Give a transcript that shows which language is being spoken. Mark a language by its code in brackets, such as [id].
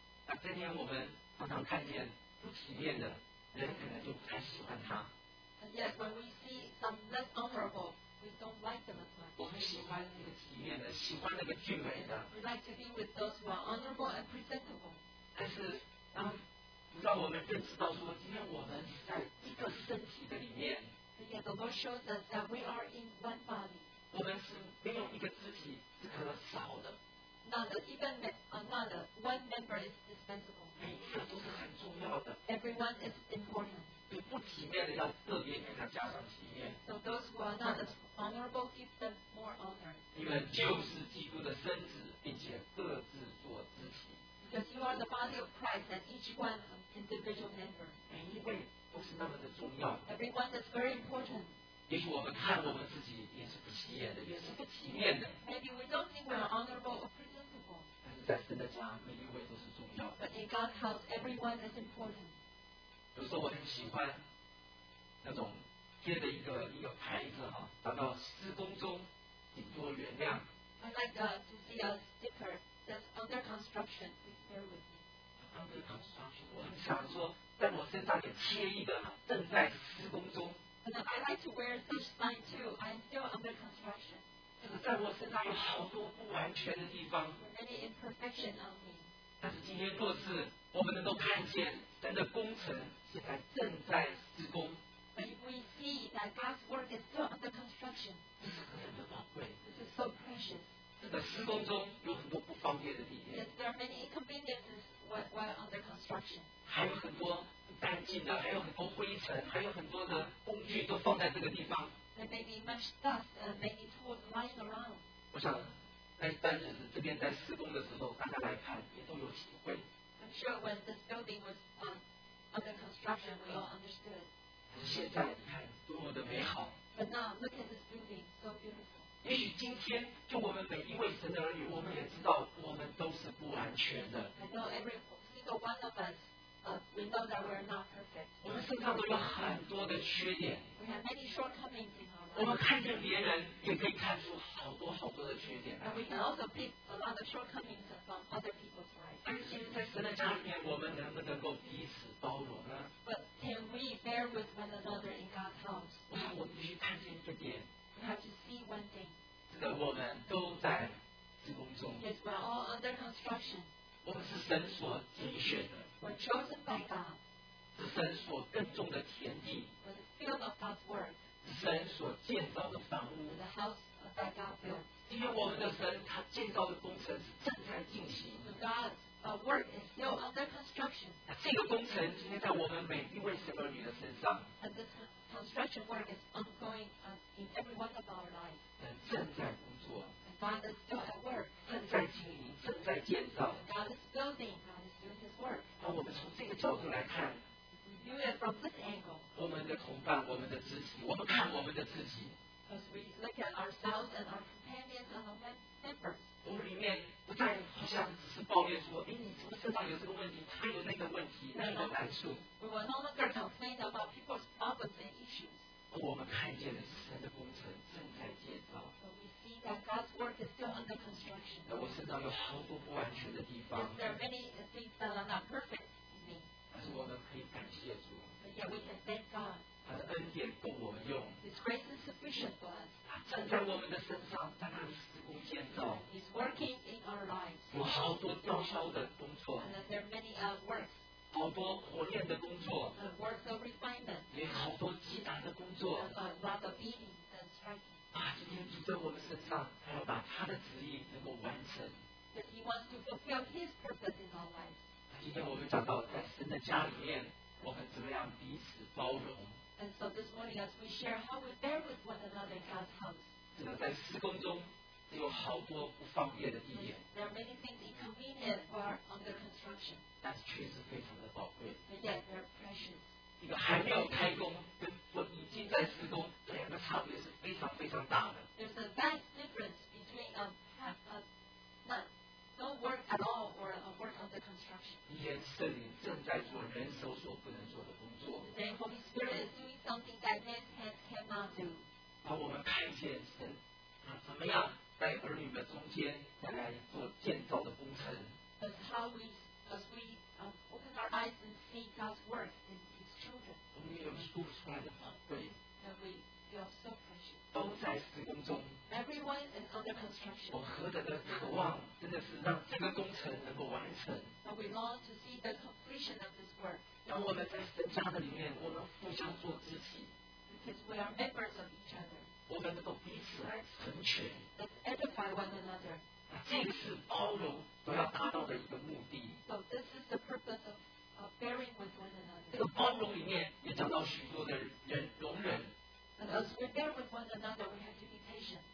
[zh] 那这天我们常常看见不体面的人，可能就不太喜欢他。 [en] And yet, when we see some less honorable, we don't like them as much. [zh] 我们喜欢那个体面的，喜欢那个俊美的。 [en] We like to be with those who are honorable and presentable. [zh] 但是，让我们认识到说，今天我们在一个身体的里面。 [en] And yet, the Lord shows us that we are in one body. [zh] 我们是没有一个肢体是可少的。 [en] Not even not one member is dispensable. [zh] 每一个都是很重要的。 [en] Everyone is important. [zh] 对不体面的要特别给他加上体面。 [en] So those who are not as honorable, give them more honor. [zh] 你们就是基督的身子，并且各自做肢体。 [en] Because you are the body of Christ, and each one an individual member. [zh] 每一位都是那么的重要。 [en] Everyone is very important. [zh] 也许我们看我们自己也是不起眼的，也是不体面的。 [en] Maybe we don't think we're honorable or presentable. [zh] 但是在神的家，每一位都是重要的。 [en] But in God's house, everyone is important. [zh] 有时候我很喜欢那种贴的一个牌子哈，达到施工中顶多原谅。 [en] I like to see a sticker that's under construction. Please bear with me. Under construction， [zh] 我很想说，在我身上也贴一个哈，正在施工中。 [en] And I like to wear such sign too. I'm still under construction. [zh] 就是在我身上有好多不完全的地方。 [en] Many imperfection on me. [zh] 但是今天若是我们能够看见神的工程现在正在施工。 [en] But if we see that God's work is still under construction, this is so precious. [zh] 这个施工中有很多不方便的地方。 [en] Yes, there are many inconveniences while under construction. [zh] 还有很多干净的，还有很多灰尘，还有很多的工具都放在这个地方。 [en] There may be much dust, many tools lying around. [zh] 我想，在一般人这边在施工的时候，大家来看也都有体会。 [en] I'm sure when this building was under construction, we all understood. [zh] 现在你看多么的美好。 [en] But now look at this building, so beautiful. [zh] 也许今天，就我们每一位神的儿女，我们也知道我们都是不完全的。 [en] I know every single one of us, we know that we're not perfect. [zh] 我们身上都有很多的缺点。 [en] We have many shortcomings in our lives. [zh] 我们看见别人，也可以看出好多好多的缺点。 [en] And we can also pick a lot of shortcomings from other people's lives. [zh] 但是在神的家里面，我们能不能够彼此包容呢？ [en] Can we bear with one another in God's house? [zh] 哇，我们必须看见一个点。 [en] We have to see one thing. [zh] 这个我们都在施工中。 [en] Yes, we're all under construction. [zh] 我们是神所拣选的。 [en] We're chosen by God. [zh] 是神所耕种的田地。 [en] We're the field of God's work. [zh] 是神所建造的房屋。 [en] The house that God built. [zh] 因为我们的神，他建造的工程是正在进行。 [en] So God's work is still under construction. [zh] 那这个工程今天在我们每一位神儿女的身上。 [en] And this construction work is ongoing in every one of our lives. [zh] 正在工作。 [en] And God is still at work. [zh] 正在经营，正在建造。 [en] God is building. God is doing His work. [zh] 那我们从这个角度来看。 [en] We view it from this angle. [zh] 我们的同伴，我们的肢体，我们看我们的肢体。 [en] As we look at ourselves and our companions and our members. [zh] 我们里面。不再好像只是抱怨说，哎，你怎么身上有这个问题，他有那个问题，那个难处。 [en] We will no longer complain about people's problems and issues. [zh] 我们看见的是神的工程正在建造。 [en] But we see that God's work is still under construction. [zh] 我身上有好多不完全的地方。 [en] There are many things that are not perfect in me. [zh] 但是我们可以感谢主。 [en] But yet we can thank God. [zh] 他的恩典够我们用。 [en] His grace is sufficient for us. [zh] 他站在我们的身上，在那里施工建造。 [en] He's working. Our lives. [zh] 有好多雕削的工作， [en] there are many, works. [zh] 好多火炼的工作， [en] works of refinement. [zh] 也好多击打的工作。 [en] Lot of beating and striking. [zh] 啊，今天主在我们身上，他要把他的旨意能够完成。 [en] That He wants to fulfill His purpose in our lives. [zh] 今天我们讲到在神的家里面，我们怎么样彼此包容。 [en] And so this morning, as we share how we bear with one another in God's house. [zh] 这个在施工中。有好多不方便的地点。 [en] There are many things inconvenient for under construction. [zh] 但是确实非常的宝贵。 [en] But yet they're precious. [zh] 一个还没有开工，跟我已经在施工，这两个差别是非常非常大的。 [en] There's a vast difference between no work at all or a work under construction. [zh] 今天圣灵正在做人手所不能做的工作。 [en] Today Holy Spirit is doing something that man's hands cannot do. [zh] 让我们看见神啊怎么样。在儿女们中间再来做建造的工程。 [en] As how we, as we open our eyes and see God's work in His children. [zh] 我们有付出来的宝贵。 [en] That we feel so precious. [zh] 都在施工中。 [en] Everyone is under construction. [zh] 我何等的渴望，真的是让这个工程能够完成。 [en] That we long to see the completion of this work. [zh] 让我们在神家的里面，我们互相做肢体。 [en] Because we are members of each other. [zh] 我们能够彼此来成全。 [en] Edify one another. [zh] 这个是包容都要达到的一个目的。 [en] So this is the purpose of bearing with one another. [zh] 这个包容里面也讲到许多的人容忍。 [en] And as we bear with one another, we have to be patient.